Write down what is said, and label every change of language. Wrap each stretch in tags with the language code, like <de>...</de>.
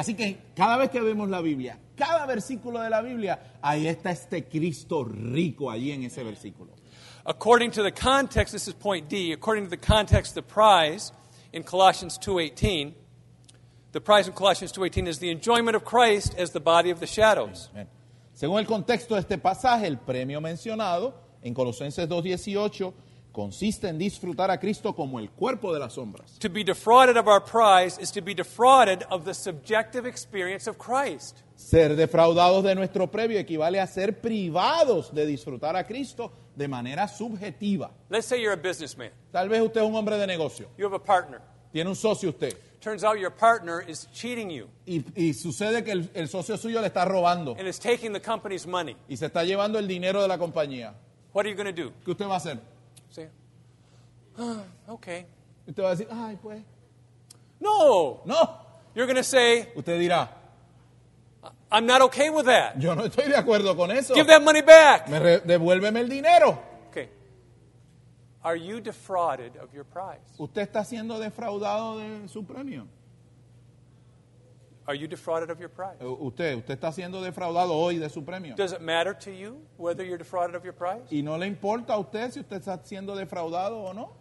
<es>Así que cada vez que vemos la Biblia, cada versículo de la Biblia, ahí está este Cristo rico allí en ese versículo.</es> <en>According to the context, this is point D, according to the context, the prize in Colossians 2:18, the prize in Colossians 2:18 is the enjoyment of Christ as the body of the shadows. Amen.</en> <es>Según el contexto de este pasaje, el premio mencionado en Colosenses 2:18 consiste en disfrutar a Cristo como el cuerpo de las sombras.</es> <en>To be defrauded of our prize is to be defrauded of the subjective experience of Christ.</en> <es>Ser defraudados de nuestro premio equivale a ser privados de disfrutar a Cristo de manera subjetiva.</es> <en>Let's say you're a businessman.</en> <es>Tal vez usted es un hombre de negocio.</es> <en>You have a partner.</en> <es>Tiene un socio usted.</es> <en>Turns out your partner is cheating you.</en> <es>Y sucede que el socio suyo le está robando.</es> <en>And is taking the company's money.</en> <es>Y se está llevando el dinero de la compañía.</es> <en>What are you going to do?</en> <es>¿Qué usted va a hacer?</es> <en>Say, okay.</en> <es>Usted va a decir, ay, pues.</es> <en>No.</en> <es>No.</es> <en>You're going to say.</en> <es>Usted dirá.</es> <en>I'm not okay with that.</en> <es>Yo no estoy de acuerdo con eso.</es> <en>Give that money back.</en> <es>Devuélveme el dinero.</es> <en>Okay. Are you defrauded of your prize?</en> <es>¿Usted está siendo defraudado de su premio?</es> <en>Are you defrauded of your prize?</en> <es>¿Usted está siendo defraudado hoy de su premio?</es> <en>Does it matter to you whether you're defrauded of your prize?</en> <es>¿Y no le importa a usted si usted está siendo defraudado o no?</es>